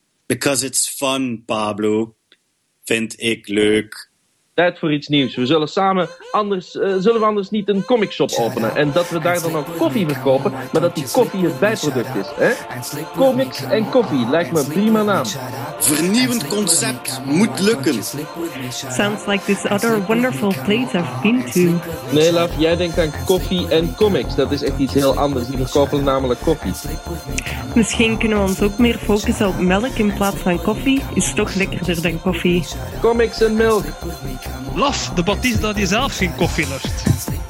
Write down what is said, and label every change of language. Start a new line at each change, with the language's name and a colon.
English: Because it's fun, Pablo.
Dutch: Vind ik leuk. Tijd voor iets nieuws. We zullen samen anders niet een comic shop openen. En dat we daar dan ook koffie verkopen, maar dat die koffie het bijproduct is. Hè? Comics en koffie lijkt me prima naam. Vernieuwend concept moet lukken.
English: Sounds like this other wonderful place I've been to.
Dutch: Nee, love, jij denkt aan koffie en comics. Dat is echt iets heel anders. Die verkopen namelijk koffie. Misschien kunnen we ons ook meer focussen op melk in plaats van koffie. Is toch lekkerder dan koffie. Comics en melk. Laf, de Batista die zelf geen koffie lust.